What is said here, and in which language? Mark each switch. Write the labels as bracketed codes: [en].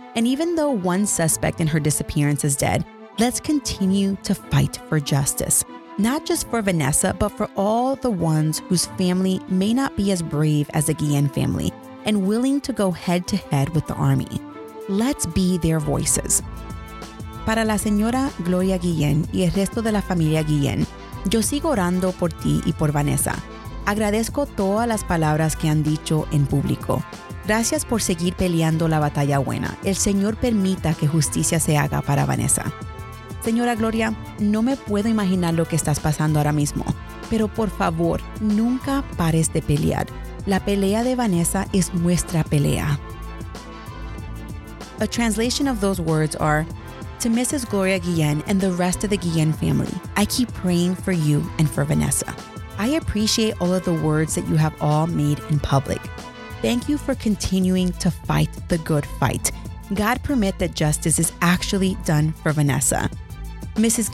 [en] And even though one suspect in her disappearance is dead, let's continue to fight for justice. Not just for Vanessa, but for all the ones whose family may not be as brave as the Guillen family and willing to go head to head with the army. Let's be their voices. [es] Para la señora Gloria Guillen y el resto de la familia Guillen, yo sigo orando por ti y por Vanessa. Agradezco todas las palabras que han dicho en público. Gracias por seguir peleando la batalla buena. El Señor permita que justicia se haga para Vanessa. Señora Gloria, no me puedo imaginar lo que estás pasando ahora mismo, pero por favor, nunca pares de pelear. La pelea de Vanessa es nuestra pelea. [en] A translation of those words are, to Mrs. Gloria Guillen and the rest of the Guillen family, I keep praying for you and for Vanessa. I appreciate all of the words that you have all made in public. Thank you for continuing to fight the good fight. God permit that justice is actually done for Vanessa. Mrs.